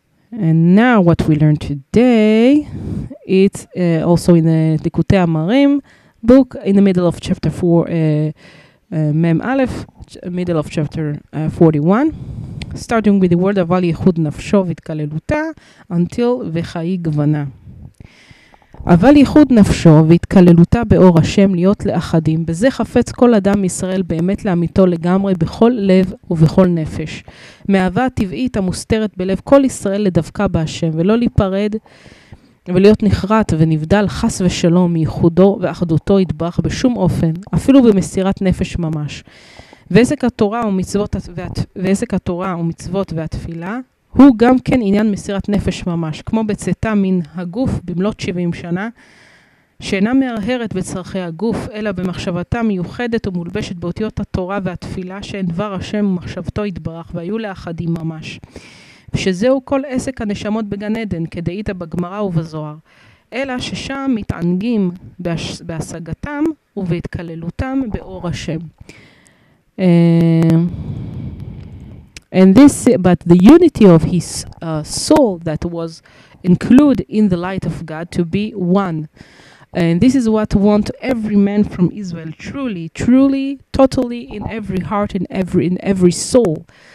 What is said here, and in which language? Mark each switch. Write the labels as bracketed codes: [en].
[en] And now what we learned today, it's also in the Likutei Amarim book, in the middle of chapter 4, Mem Aleph, middle of chapter 41, starting with the word [he] Aval Yichud Nafsho Vitkalelutah [en] until V'chayi Gvana. [he] אבל ייחוד נפשו והתכללותה באור השם להיות לאחדים, בזה חפץ כל אדם ישראל באמת לאמיתו לגמרי בכל לב ובכל נפש. מאהבה הטבעית המוסתרת בלב כל ישראל לדווקא בהשם ולא להיפרד ולהיות נחרט ונבדל חס ושלום מייחודו ואחדותו יתברך בשום אופן, אפילו במסירת נפש ממש. ועסק התורה ומצוות, ועסק התורה ומצוות והתפילה, הוא גם כן עניין מסירת נפש ממש, כמו בצאתה מן הגוף במלות 70 שנה, שאינה מהרהרת בצרכי הגוף, אלא במחשבתה מיוחדת ומולבשת באותיות התורה והתפילה, שאין דבר השם ומחשבתו יתברך, והיו לאחדים ממש. ושזהו כל עסק הנשמות בגן עדן, כדאית בגמרא ובזוהר, אלא ששם מתענגים בהשגתם ובהתכללותם באור השם. [en] And this, but the unity of his soul that was included in the light of God to be one. And this is what want every man from Israel, truly, truly, totally in every heart, in every soul.